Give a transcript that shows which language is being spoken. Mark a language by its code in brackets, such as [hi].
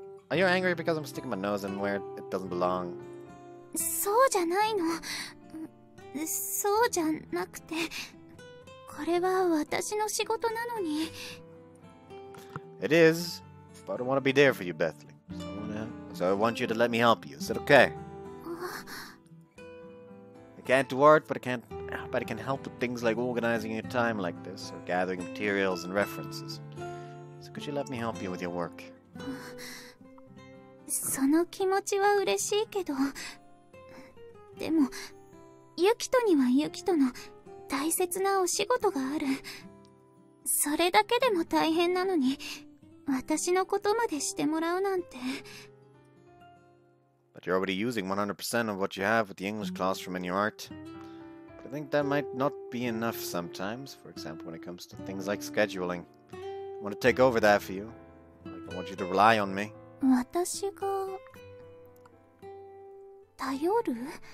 [en] Are you angry because I'm sticking my nose in where it doesn't belong? [ja] そうじゃないの。そうじゃなくて、これは私の仕事なのに。 [en] It is. But I don't want to be there for you, Bethly. So I want you to let me help you. Is that okay? I can't do art, but I can help with things like organizing your time like this, or gathering materials and references. So could you let me help you with your work? [ja] その気持ちは嬉しいけど、でも、ユキトにはユキトの大切なお仕事がある。それだけでも大変なのに、私のことまでしてもらうなんて。 [en] But you're already using 100% of what you have with the English classroom in your art. But I think that might not be enough sometimes, for example, when it comes to things like scheduling. I want to take over that for you. Like, I want you to rely on me. [ja] 私が…頼る?